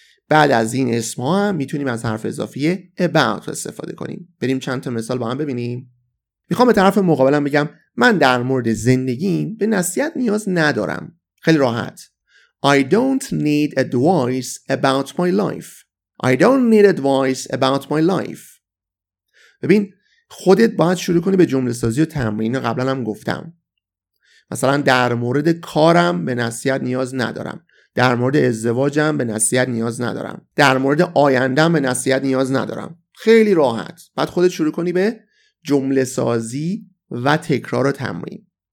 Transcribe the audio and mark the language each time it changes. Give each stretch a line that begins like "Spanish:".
Persian: بعد از این اسما هم میتونیم از حرف اضافی about استفاده کنیم. بریم چند تا مثال با هم ببینیم. میخوام به طرف مقابلم بگم من در مورد زندگیم به نصیحت نیاز ندارم. خیلی راحت.
English: I don't need advice about my life. I don't need advice about my life.
Persian: ببین خودت باید شروع کنی به جمله سازی و تمرین. قبلا هم گفتم. مثلا در مورد کارم به نصیحت نیاز ندارم. در مورد ازدواجم به نصیحت نیاز ندارم. در مورد آیندم به نصیحت نیاز ندارم. خیلی راحت. بعد خودت شروع کنی به جمله سازی و تکرار و تمرین.